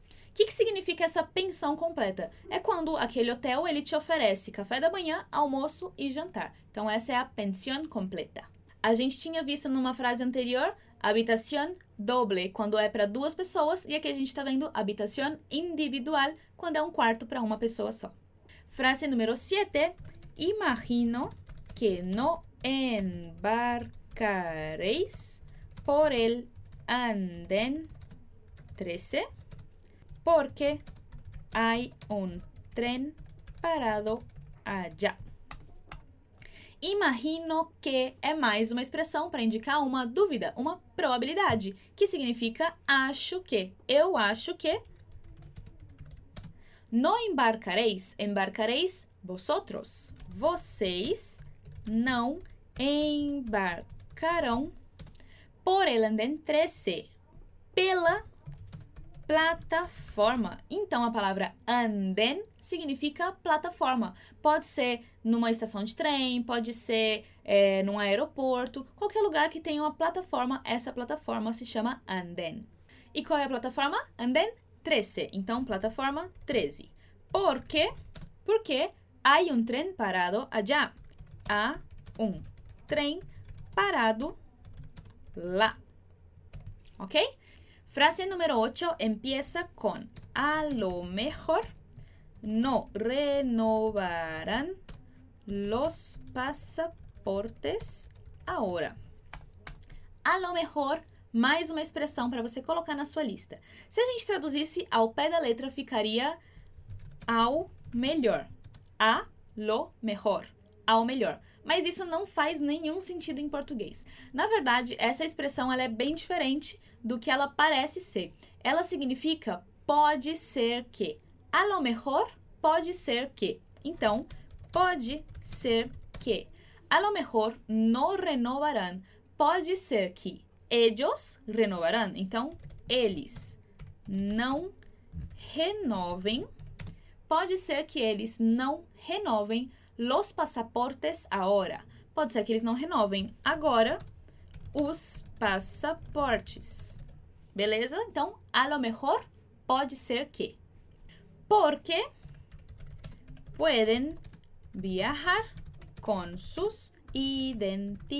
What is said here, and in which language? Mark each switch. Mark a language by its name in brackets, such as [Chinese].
[Portuguese] O que significa essa pensão completa? É quando aquele hotel ele te oferece café da manhã, almoço e jantar. Então, essa é a [Spanish] pensión completa. [Portuguese] A gente tinha visto numa frase anterior, [Spanish] habitación doble, [Portuguese] quando é para duas pessoas, e aqui a gente está vendo [Spanish] habitación individual, [Portuguese] quando é um quarto para uma pessoa só. Frase número 7. [Spanish] Imagino que no embarcaréis por el andén 13. Porque hay un tren parado allá. [Portuguese] Imagino que é mais uma expressão para indicar uma dúvida, uma probabilidade, que significa acho que, eu acho que. [Spanish] No embarcaréis, [Portuguese] embarcaréis vosotros. Vocês não embarcarão [Spanish] por el andén 13, [Portuguese] pela plataforma. Então, a palavra andén significa plataforma. Pode ser numa estação de trem, pode ser num aeroporto, qualquer lugar que tenha uma plataforma, essa plataforma se chama andén. E qual é a plataforma? Andén 13. Então, plataforma 13. Por quê? Porque há um trem parado allá. Há um trem parado lá. Ok? Frase número 8 [Spanish] empieza con a lo mejor no renovarán los pasaportes ahora. A lo mejor [Portuguese] Mais uma expressão para você colocar na sua lista. Se a gente traduzisse ao pé da letra, ficaria ao melhor. [Spanish] A lo mejor. [Portuguese] Ao melhor. Mas isso não faz nenhum sentido em português. Na verdade, essa expressão ela é bem diferente do que ela parece ser. Ela significa pode ser que. [Spanish] A lo mejor, [Portuguese] pode ser que. Então, pode ser que. [Spanish] A lo mejor no renovarán. [Portuguese] Pode ser que [Spanish] ellos renovarán. [Portuguese] Então, eles não renovem. Pode ser que eles não renovem [Spanish] los pasaportes ahora. [Portuguese] Pode ser que eles não renovem agora os passaportes. Beleza? Então, [Spanish] a lo mejor [Portuguese] pode ser que. [Spanish] Porque pueden viajar con sus identidades.